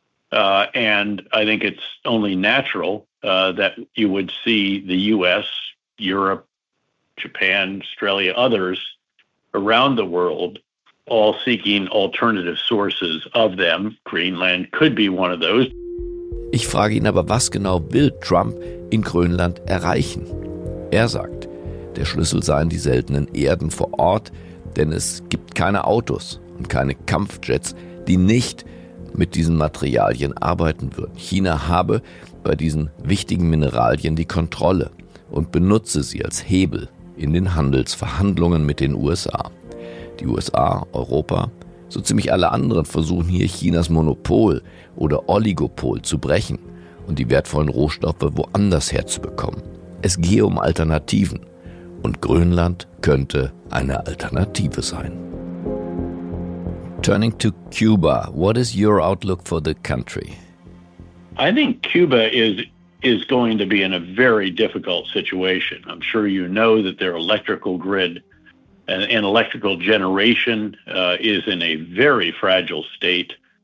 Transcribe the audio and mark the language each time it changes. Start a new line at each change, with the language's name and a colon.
English: And I think it's only natural that you would see the U.S., Europe, Japan, Australia, others around the world all seeking alternative sources of them. Greenland could be one of those.
German: Ich frage ihn aber, was genau will Trump in Grönland erreichen? Er sagt, der Schlüssel seien die seltenen Erden vor Ort, denn es gibt keine Autos und keine Kampfjets, die nicht mit diesen Materialien arbeiten würden. China habe bei diesen wichtigen Mineralien die Kontrolle und benutze sie als Hebel in den Handelsverhandlungen mit den USA. Die USA, Europa, so ziemlich alle anderen versuchen hier Chinas Monopol oder Oligopol zu brechen und die wertvollen Rohstoffe woanders herzubekommen. Es gehe um Alternativen und Grönland könnte eine Alternative sein.
English: Turning to Cuba, what is your outlook for the country? I think Cuba is going to be in a very difficult situation. I'm sure you know that their electrical grid and electrical generation is in a very fragile state.